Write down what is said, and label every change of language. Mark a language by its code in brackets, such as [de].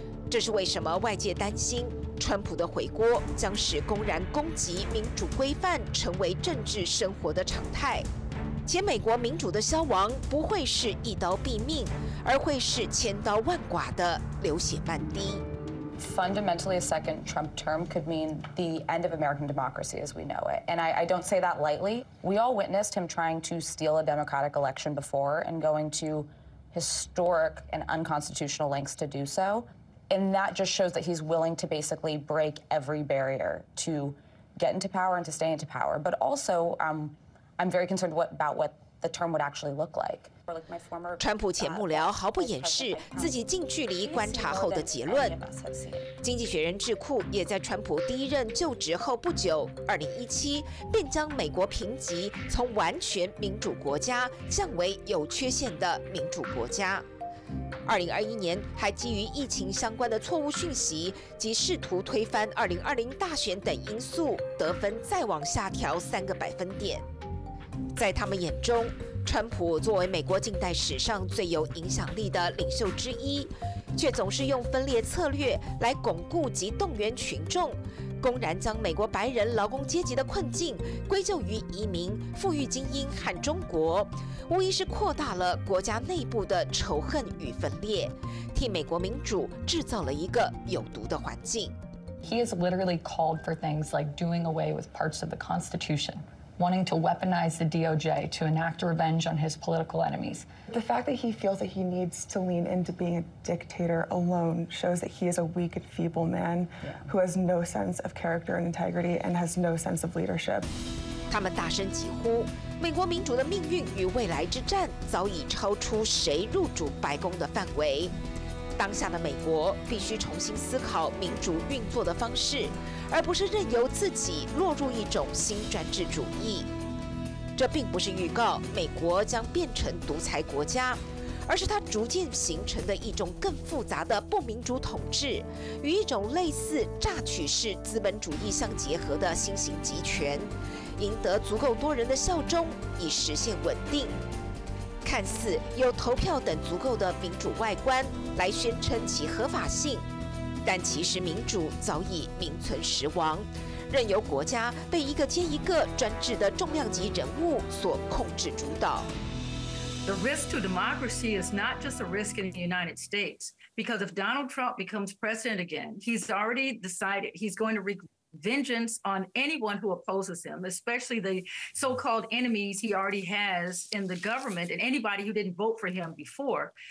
[zh] 这是为什么外界担心川普的回国将使公然攻击民主规范成为政治生活的常态，且美国民主的消亡不会是一刀毙命，而会是千刀万剐的流血漫滴。 [en] Fundamentally, a second Trump term could mean the end of American democracy as we know it. And I don't say that lightly. We all witnessed him trying to steal a Democratic election before and going to historic and unconstitutional lengths to do so. And that just shows that he's willing to basically break every barrier to get into power and to stay into power. But also, I'm very concerned about what the term would actually look like. [zh] 川普前幕僚毫不掩饰自己近距离观察后的结论。经济学人智库也在川普第一任就职后不久，2017便将美国评级从完全民主国家降为有缺陷的民主国家。 2021年还基于疫情相关的错误讯息及试图推翻2020大选等因素，得分再往下调3个百分点。在他们眼中，川普作为美国近代史上最有影响力的领袖之一，却总是用分裂策略来巩固及动员群众，公然将美国白人劳工阶级的困境归咎于移民、富裕精英和中国，无疑是扩大了国家内部的仇恨与分裂，替美国民主制造了一个有毒的环境。 [en] He has literally called for things like doing away with parts of the Constitution. Wanting to weaponize the DOJ to enact revenge on his political enemies. The fact that he feels that he needs to lean into being a dictator alone shows that he is a weak and feeble man who has no sense of character and integrity and has no sense of leadership. [zh] 他们大声疾呼，美国民主的命运与未来之战早已超出谁入主白宫的范围。当下的美国必须重新思考民主运作的方式，而不是任由自己落入一种新专制主义。这并不是预告美国将变成独裁国家，而是它逐渐形成的一种更复杂的不民主统治与一种类似榨取式资本主义相结合的新型集权，赢得足够多人的效忠以实现稳定。看似有投票等足够的民主外观来宣称其合法性，但其实民主早已名存实亡，任由国家被一个接一个专制的重量级人物所控制主导。 [en] The risk to democracy is not just a risk in the United States, because if Donald Trump becomes president again, he's already decided he's going to wreak vengeance on anyone who opposes him, especially the so-called enemies he already has in the government and anybody who didn't vote for him before.